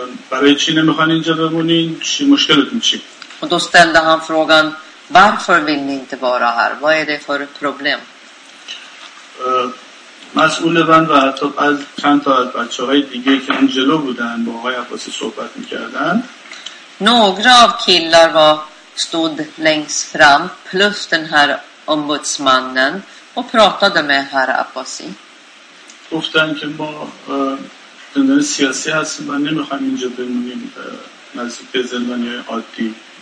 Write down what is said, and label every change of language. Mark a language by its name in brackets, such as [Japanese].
[Persian] برای چی نمیخوان اینجا بمونین؟ چی مشکلتون چی؟ [Swedish] Och då ställde han frågan varför vill ni inte vara här? Vad är det för problem? [Persian] مسئول بند و حتی از چند تا از بچه‌های دیگه که اون جلو بودن با آقای عباسی صحبت می‌کردن. [Swedish] Några av killar var stod längst fram plus den här ombudsmannen och pratade med herr Abbasi. [Persian] گفتن که ما زندانی سیاسی هستیم و نمی‌خوایم اینجا بمونیم نزدیک به زندانی عادی.